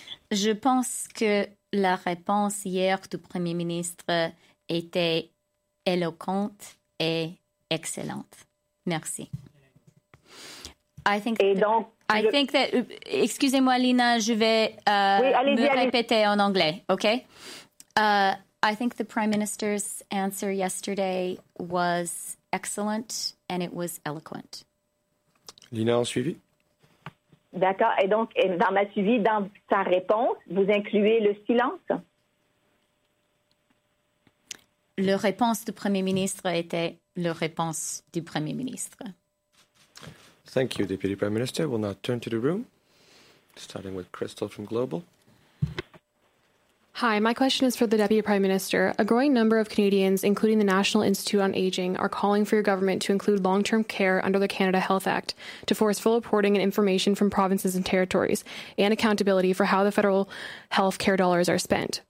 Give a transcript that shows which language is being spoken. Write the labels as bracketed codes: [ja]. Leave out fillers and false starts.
[fr] Je pense que la réponse hier du premier ministre était éloquente et excellente. Merci. Excusez-moi, Lina, je vais répéter en anglais, OK? [en] I think the Prime Minister's answer yesterday was excellent and it was eloquent. [fr] Lina, en suivi? D'accord. Et donc, dans ma suivi, dans sa réponse, vous incluez le silence? La réponse du Premier ministre était la réponse du Premier ministre. [en] Thank you, Deputy Prime Minister. We'll now turn to the room, starting with Crystal from Global. Hi, my question is for the Deputy Prime Minister. A growing number of Canadians, including the National Institute on Aging, are calling for your government to include long-term care under the Canada Health Act to force full reporting and information from provinces and territories and accountability for how the federal health care dollars are spent.